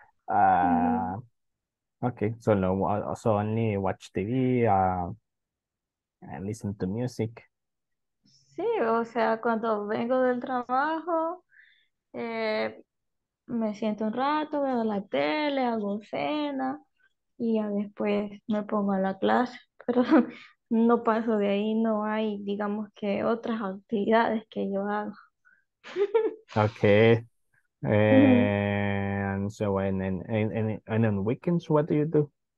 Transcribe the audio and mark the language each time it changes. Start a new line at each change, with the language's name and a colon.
English: Okay, so only watch TV and listen to music.
Spanish: Sí, o sea, cuando vengo del trabajo, me siento un rato, veo la tele, hago cena, y ya después me pongo a la clase. Pero no paso de ahí, no hay, digamos que otras actividades que yo hago.
English: Okay. And so and on weekends, what do you do?